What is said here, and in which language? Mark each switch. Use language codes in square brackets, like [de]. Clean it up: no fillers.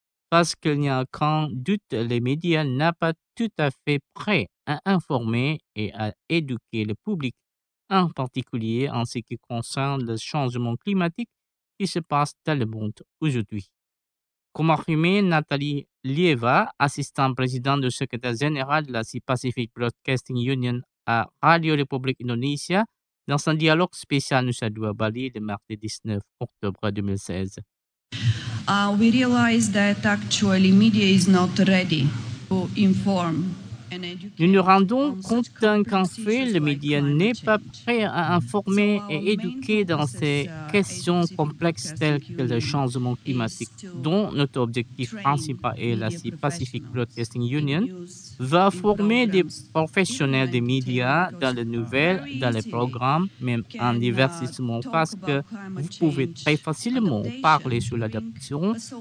[fr] Parce qu'il n'y a aucun doute, les médias n'ont pas tout à fait prêt à informer et à éduquer le public, en particulier en ce qui concerne le changement climatique qui se passe dans le monde aujourd'hui. Comme a affirmé Nathalie Lieva, assistante présidente du secrétaire général de la Pacific Broadcasting Union à Radio République Indonésie, dans un dialogue spécial Nusa Dua, Bali, le mardi 19 octobre 2016. [en] We realize that actually media is not ready to inform [fr] Nous nous rendons compte qu'en fait, le média n'est pas prêt à informer et éduquer dans ces questions complexes telles que le changement climatique, dont notre objectif principal est la Pacific Broadcasting Union, va former des professionnels des médias dans les nouvelles, dans les programmes, même en divertissement, parce que vous pouvez très facilement parler sur l'adaptation